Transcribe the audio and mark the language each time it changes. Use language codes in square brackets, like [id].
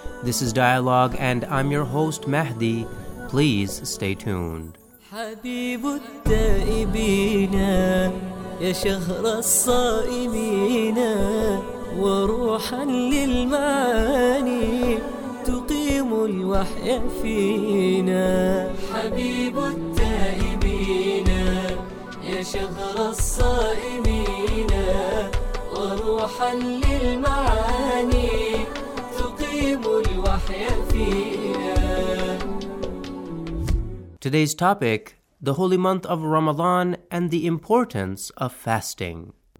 [en] This is Dialogue, and I'm your host, Mahdi. Please stay tuned. [ar] حبيب التائبين يا شهر الصائمين وروحا للمعاني تقيم الوحي فينا حبيب التائبين يا شهر الصائمين وروحا للمعاني تقيم الوحي فينا. [en] Today's topic, the holy month of Ramadan and the importance of fasting.